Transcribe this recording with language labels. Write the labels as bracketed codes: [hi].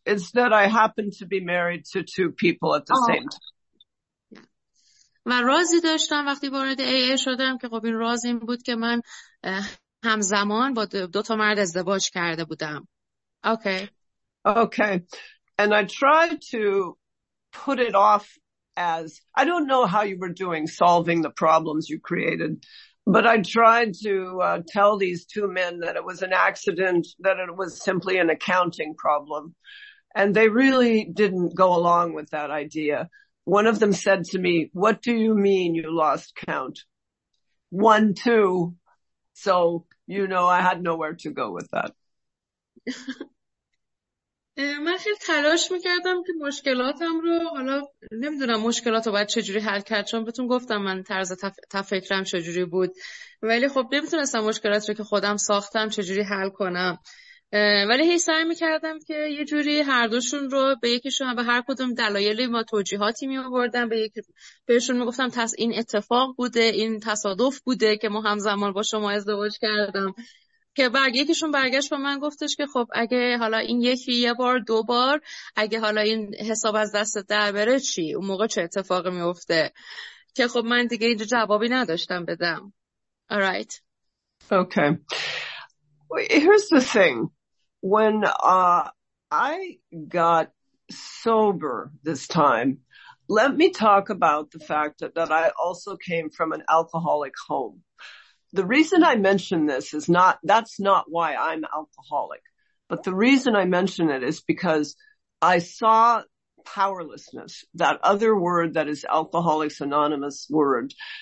[en] It's that I happen to be married to two people at the same time. [fa] من رازی داشتم وقتی وارد AA شدم که خب این راز این بود که من همزمان با دو تا مرد ازدواج کرده بودم. [en] Okay. Okay. And I tried to put it off as, I don't know how you were doing solving the problems you created. But I tried to tell these two men that it was an accident, that it was simply an accounting problem. And they really didn't go along with that idea. One of them said to me, what do you mean you lost count? One, two. So, you know, I had nowhere to go with that. [fa] من خیلی تلاش میکردم که مشکلاتم رو حالا نمیدونم مشکلات رو باید چجوری حل کرد، چون بهتون گفتم من طرز تفکرم چجوری بود، ولی خب نمیتونستم مشکلات رو که خودم ساختم چجوری حل کنم، ولی هی سعی میکردم که یه جوری هر دوشون رو به یکیشون به هر کدوم دلایلی ما توجیهاتی میابردم بهشون میگفتم این اتفاق بوده، این تصادف بوده که ما همزمان با شما ازدواج کردم، که یکیشون برگشت با من گفتش که خب اگه حالا این یکی یه بار دو بار اگه حالا این حساب از دست در بره چی؟ اون موقع چه اتفاقی میفته؟ که خب من دیگه اینجا جوابی نداشتم بدم. [en] All right. Okay. Here's the thing. When I got sober this time, let me talk about the fact that I also came from an alcoholic home. The reason I mention this is not, that's not why I'm alcoholic, but the reason I mention it is because I saw powerlessness, that other word that is Alcoholics Anonymous word.